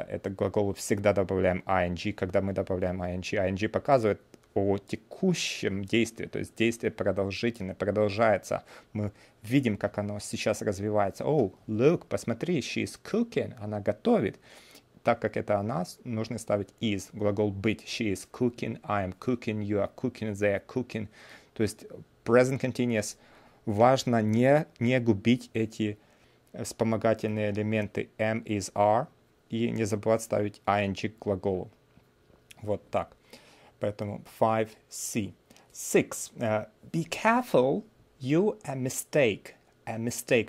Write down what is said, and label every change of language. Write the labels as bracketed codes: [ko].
[ru] Это глаголы всегда добавляем ing. Когда мы добавляем ing, ing показывает о текущем действии, то есть действие продолжительное, продолжается. Мы видим, как оно сейчас развивается. [en] Oh, look, [ru] посмотри, [en] she is cooking, [ru] она готовит. Так как это она, нужно ставить is, глагол быть. [en] She is cooking, I am cooking, you are cooking, they are cooking. [ru] То есть present continuous. Важно не губить эти вспомогательные элементы am, is, are и не забывать ставить ing к глаголу. Вот так. Поэтому 5C. 6. [en] Be careful, you a mistake. A mistake.